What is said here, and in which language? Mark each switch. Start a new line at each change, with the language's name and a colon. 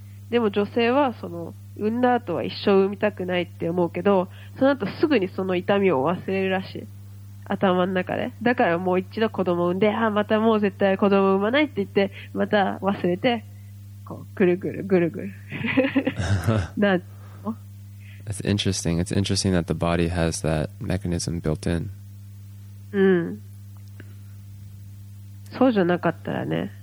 Japanese: でも女性はその産んだ後は一生産みたくないって思うけど、その後すぐにその痛みを忘れるらしい、頭の中で。だからもう一度子供産んで、あ、またもう絶対子供産まないって言ってまた忘れて、こうぐるぐるぐるぐるなん。
English: That's interesting. It's interesting that the body has that mechanism built in.
Japanese: うん、そうじゃなかったらね。